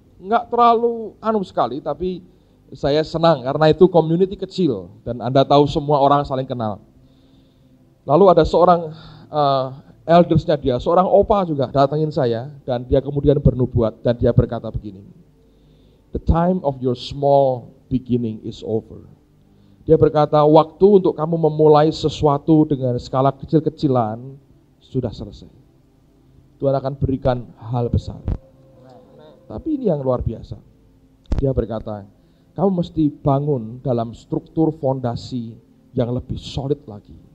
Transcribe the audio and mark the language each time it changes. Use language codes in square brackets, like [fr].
[id] Enggak terlalu anu sekali, tapi saya senang karena itu community kecil. Dan Anda tahu semua orang saling kenal. Lalu ada seorang eldersnya dia, seorang opa juga datangin saya. Dan dia kemudian bernubuat dan dia berkata begini. [en] The time of your small beginning is over. [id] Dia berkata, waktu untuk kamu memulai sesuatu dengan skala kecil-kecilan sudah selesai. Tuhan akan berikan hal besar. Tapi ini yang luar biasa. Dia berkata, kamu mesti bangun dalam struktur fondasi yang lebih solid lagi.